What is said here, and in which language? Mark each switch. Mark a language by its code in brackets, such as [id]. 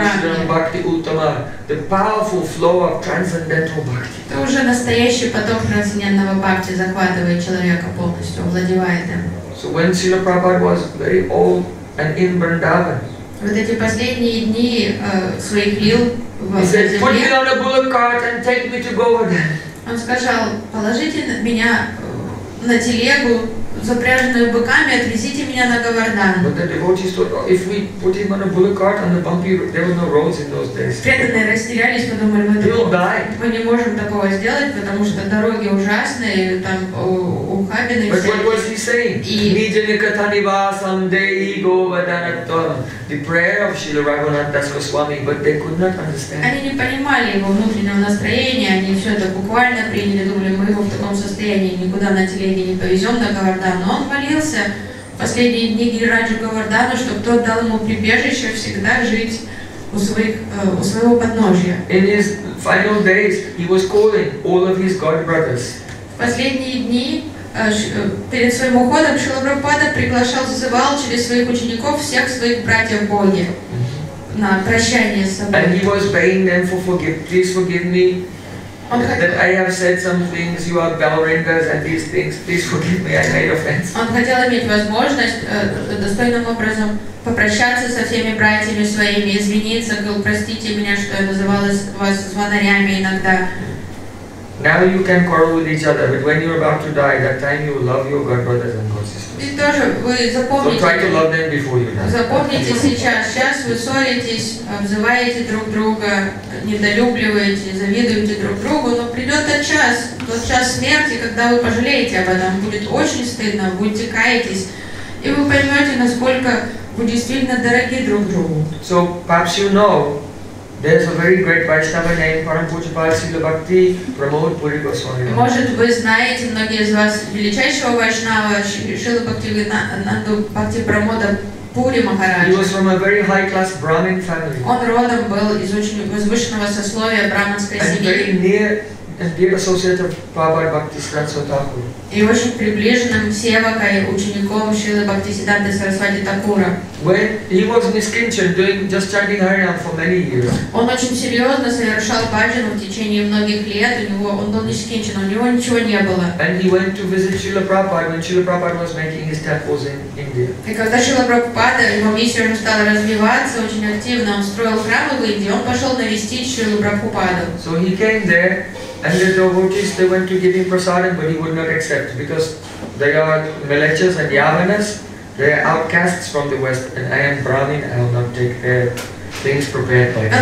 [ru] Это уже настоящий поток трансцендентного бхакти захватывает человека полностью, овладевает им. [en] So when Srila Prabhupada was very old and in Vrindavan, [ru] вот эти последние дни своих лил в земле, [en] put me on a bullock cart and take me to Govardhan. [ru] Он сказал, положите меня на телегу, запряженную быками, отвезите меня на Говардан. [en] But the devotees thought, oh, if we put him on a bullock cart on the bumpy road, there were no roads in those days. [ru] Преданные растерялись, подумали, мы не можем такого сделать, потому что дороги ужасные, там ухабины. [en] But what was he saying? [sa] Nijanikatanivasam dehi Govardhanattvam. [en] The prayer of Srila Raghunath Das Goswami, but they could not understand. [ru] Они не понимали его внутреннего настроения, они все это буквально приняли, думали, мы его в таком состоянии никуда на телеге не повезем на Говардан. Да, но он молился в последние дни Гирираджу Говардану, чтобы тот дал ему прибежище всегда жить у своего подножья. [en] In his final days, he was calling all of his god brothers. [ru] В последние дни перед своим уходом Шрила Прабхупада приглашал, зазывал через своих учеников всех своих братьев боги на прощание с собой. [en] And he was begging them for forgiveness. Please forgive me. That I have said some things, you are bell ringers and these things, please forgive me, I made offense. [ru] Он хотел иметь возможность достойным образом попрощаться со всеми братьями своими, извиниться, говорил, простите меня, что я называл вас звонарями иногда. [en] Now you can quarrel with each other, but when you're about to die, that time you will love your god brothers and god sisters. [ru] И тоже вы запомните. [en] So try to love them before you die. [ru] Запомните сейчас. Сейчас вы ссоритесь, обзываете друг друга, недолюбливаете, завидуете друг другу, но придет тот час смерти, когда вы пожалеете об этом, будет очень стыдно, будете каетесь, и вы поймете, насколько вы действительно дороги друг другу. [en] So perhaps you know. There's a very great Vaishnava named Param Pooja Pada Srila Bhakti Pramod Puri Goswami. [ru] Может, вы знаете, многие из вас, величайшего Вайшнава Шрила Бхактивинанду Бхакти Прамода Пури Махараджа. [en] He was from a very high-class Brahmin family. [ru] Он родом был из очень возвышенного сословия брахманской семьи. [en] And very near and dear associate of Prabhupada Bhaktisiddhanta Thakura. [ru] И очень приближенным севакой, учеником Шрилы Бхактисиддханты Сарасвати Такура. [en] When he was in his kitchen doing just chanting Harinam for many years. [ru] Он очень серьезно совершал баджану в течение многих лет. Он был не скинчен, у него ничего не было. [en] And he went to visit Srila Prabhupada when Srila Prabhupada was making his temples in India. [ru] И когда Шрила Прабхупада, его миссия уже стала развиваться очень активно, он строил храмы в Индии, он пошел навестить Шрилу Прабхупаду. [en] So he came there. And the devotees, they went to give him prasadam, but he would not accept because they are malechas and yavanas, they are outcasts from the west, and I am Brahmin, I will not take their things prepared by them.